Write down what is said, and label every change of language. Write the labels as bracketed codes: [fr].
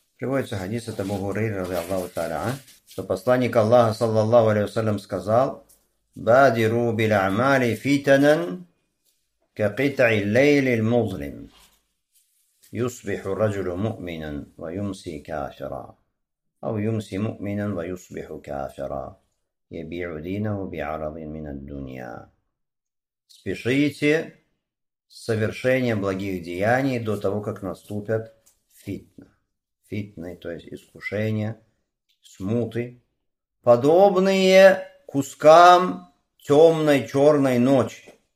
[ru] Приводится хадис от Абу Хурайры ради Аллаху Тааля, что посланник Аллаха, саллаллаху алейхи вассалям, сказал: [ar] «Бадиру биль амали фитанан ка кита'и лейли л-музлим, юсбиху раджулу му'минан ва юмси кафира». أو يمسي مؤمنا ويصبح كافرا يبيع دينه بعرض من الدنيا. [ru] Спешите с совершением благих деяний до того, как наступят фитны. Фитны, то есть искушения, смуты, подобные кускам темной черной ночи.